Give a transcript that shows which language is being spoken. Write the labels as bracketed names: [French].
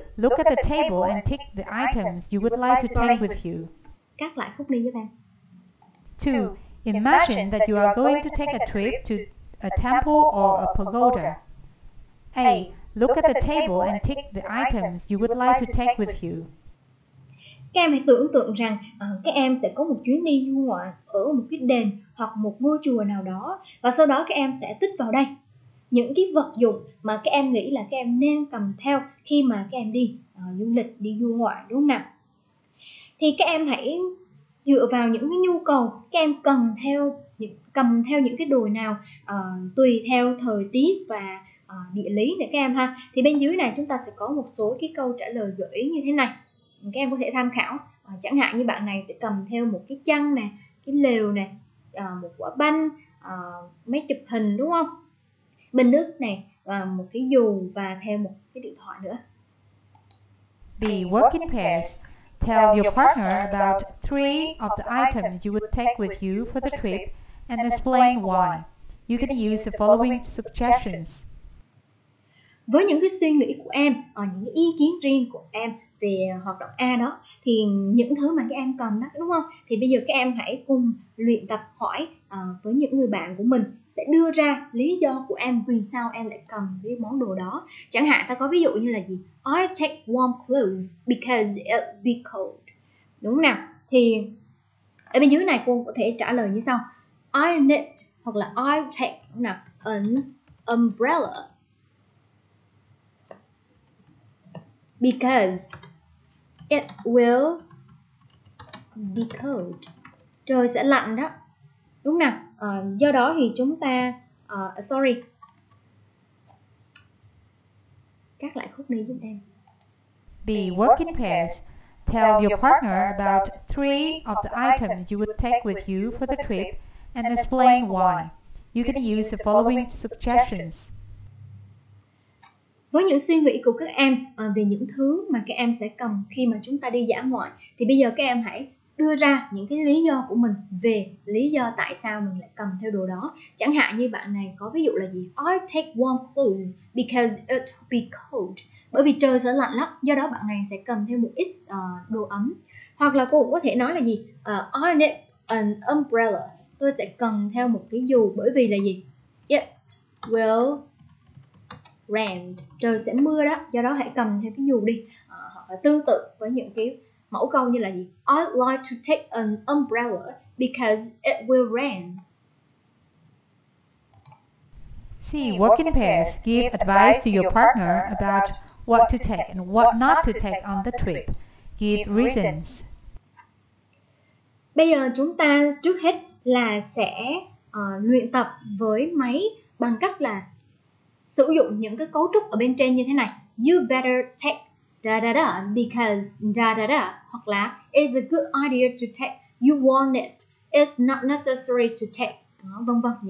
[English] Look at the table and tick the items you would like to take with you. [Vietnamese] Cắt lại khúc đi cho bạn. [English] 2. Imagine that you are going to take a trip to a temple or a pagoda. A. Look at the table and tick the items you would like to take with you. [Vietnamese] Các em hãy tưởng tượng rằng các em sẽ có một chuyến đi du ngoạn ở một cái đền hoặc một ngôi chùa nào đó, và sau đó các em sẽ tích vào đây những cái vật dụng mà các em nghĩ là các em nên cầm theo khi mà các em đi du lịch, đi du ngoạn, đúng không nào? Thì các em hãy dựa vào những cái nhu cầu các em cần theo, cầm theo những cái đồ nào tùy theo thời tiết và địa lý để các em ha. Thì bên dưới này chúng ta sẽ có một số cái câu trả lời gợi ý như thế này, các em có thể tham khảo. Chẳng hạn như bạn này sẽ cầm theo một cái chăn nè, cái lều nè, một quả banh, máy chụp hình, đúng không? Bình nước này, một cái dù và theo một cái điện thoại nữa. [English] Be working pairs. Tell your partner about three of the items you would take with you for the trip and explain why. You can use the following suggestions. [Vietnamese] Với những cái suy nghĩ của em, những ý kiến riêng của em về hoạt động A đó, thì những thứ mà các em cầm đó, đúng không? Thì bây giờ các em hãy cùng luyện tập hỏi với những người bạn của mình, sẽ đưa ra lý do của em vì sao em lại cầm cái món đồ đó. Chẳng hạn ta có ví dụ như là gì? [English] I take warm clothes because it'll be cold. [Vietnamese] Đúng không nào? Thì ở bên dưới này cô có thể trả lời như sau: [English] I knit [Vietnamese] hoặc là [English] I take, [Vietnamese] đúng không nào, [English] an umbrella because it will be cold. [Vietnamese] Trời sẽ lạnh đó, đúng không nào? Do đó thì chúng ta cắt lại khúc này giúp em. [English] Be working pairs. Tell your partner about three of the items you would take with you for the trip and explain why. You can use the following suggestions. [Vietnamese] Với những suy nghĩ của các em về những thứ mà các em sẽ cầm khi mà chúng ta đi dã ngoại, thì bây giờ các em hãy đưa ra những cái lý do của mình về lý do tại sao mình lại cầm theo đồ đó. Chẳng hạn như bạn này có ví dụ là gì? [English] I take warm clothes because it'll be cold. [Vietnamese] Bởi vì trời sẽ lạnh lắm, do đó bạn này sẽ cầm theo một ít đồ ấm. Hoặc là cô cũng có thể nói là gì? [English] I need an umbrella. [Vietnamese] Tôi sẽ cần theo một cái dù bởi vì là gì? [English] It will rain. [Vietnamese] Trời sẽ mưa đó, do đó hãy cầm theo cái dù đi. Hoặc là tương tự với những cái mẫu câu như là gì? [English] I like to take an umbrella because it will rain. See, working pairs give advice to your partner about what to take and what not to take on the trip. Give reasons. [Vietnamese] Bây giờ chúng ta trước hết là sẽ luyện tập với máy bằng cách là sử dụng những cái cấu trúc ở bên trên như thế này. [English] You better take da da da because da da da, [Vietnamese] hoặc là [English] it's a good idea to take, you want it, it's not necessary to take, [Vietnamese] vân vân.